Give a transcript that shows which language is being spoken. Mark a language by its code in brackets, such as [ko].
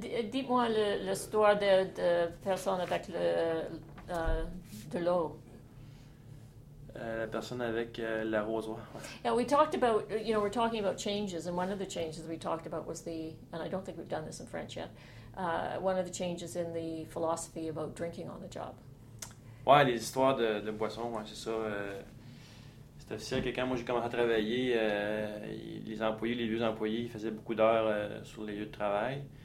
[fr] Dites-moi l'histoire de personne avec de l'eau. La personne avec l'arrosoir. Ouais. [en] Yeah, we talked about, we're talking about changes, and one of the changes we talked about was the, and I don't think we've done this in French yet, one of the changes in the philosophy about drinking on the job. [fr] Ouais, les histoires de boissons, ouais, c'est ça. C'est officiel que quand moi j'ai commencé à travailler, les employés, les vieux employés, ils faisaient beaucoup d'heures sur les lieux de travail.